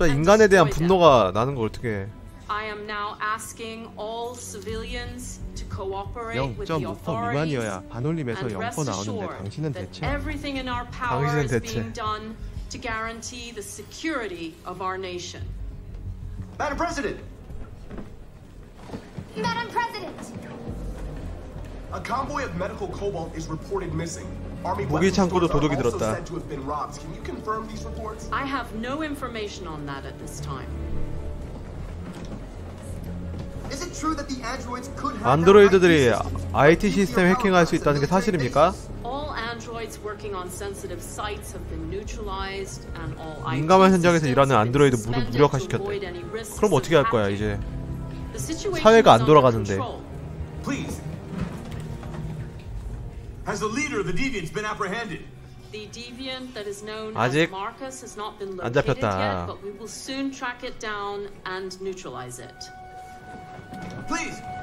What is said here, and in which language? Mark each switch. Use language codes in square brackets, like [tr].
[ko] 인간에 대한 분노가 나는 걸 어떻게? [en] I am now asking all civilians to cooperate with the authorities. 0.5% [ko] 반올림에서 0퍼 나오는데 당신은 대체? 당신은 대체? [en] To guarantee the security of our nation. Madam President! Madam President! A convoy of medical cobalt is reported missing. Army weapons are also said to have been robbed. Can you confirm these reports? I have no information on that at this time. Is it true that the androids could have... [ko] 안드로이드들이 IT 시스템 해킹할 수 있다는 게 사실입니까? [en] All androids working on sensitive sites have been neutralized and all IT [ko] 민감한 현장에서 일하는 안드로이드 모두 무력화시켰대. 그럼 어떻게 할 거야, 이제? 사회가 안 돌아가는데. [en] Please. Has the leader of the deviants been apprehended? The deviant that is known as Marcus has not been located yet, but we will soon track it down and neutralize it. Please!